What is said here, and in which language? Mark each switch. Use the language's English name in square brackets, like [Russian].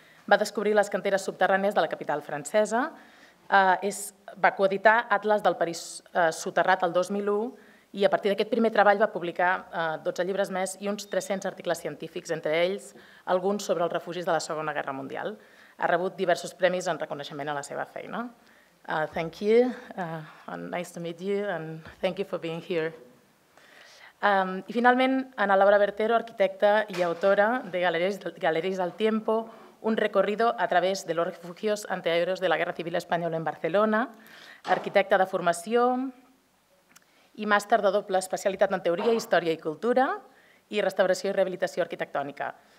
[Catalan] Va descobrir les canteres subterrànies de la capital francesa. Va coeditar Atlas del París soterrat el 2001 i a partir d'aquest primer treball va publicar 12 llibres més i uns 300 articles científics, entre ells alguns sobre els refugis de la Segona Guerra Mundial. Ha rebut diversos premis en reconeixement a la seva feina. [English] Thank you, nice to meet you, and thank you for being here. [Catalan] I finalment, Ana Laura Bertero, arquitecta i autora de Galeries del Tiempo, un recorrido a través de los refugios anteriores de la Guerra Civil Española en Barcelona, arquitecta de formació i màster de doble especialitat en teoria, història i cultura, i restauració i rehabilitació arquitectònica.